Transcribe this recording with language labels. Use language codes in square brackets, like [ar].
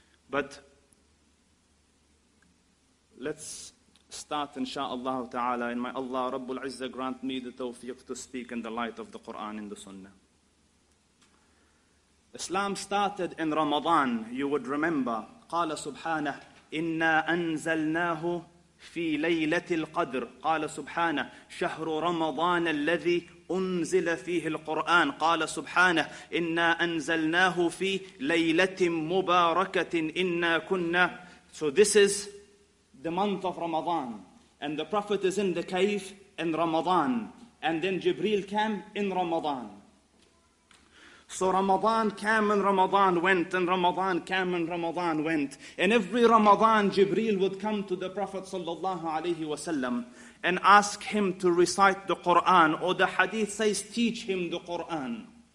[en] But let's start insha'Allah ta'ala, and may Allah Rabbul Izzah grant me the tawfiq to speak in the light of the Quran and the Sunnah. Islam started in Ramadan, you would remember. [ar] قال سبحانه إنا أنزلناه في ليلة القدر قال سبحانه شهر رمضان الذي أنزل فيه القرآن قال سبحانه إنا أنزلناه في ليلة مباركة إنا كنا. [en] So this is the month of Ramadan, and the Prophet is in the cave in Ramadan, and then Jibreel came in Ramadan. So Ramadan came and Ramadan went, and Ramadan came and Ramadan went. And every Ramadan, Jibreel would come to the Prophet sallallahu alaihi wasallam and ask him to recite the Quran, or the hadith says, teach him the Quran.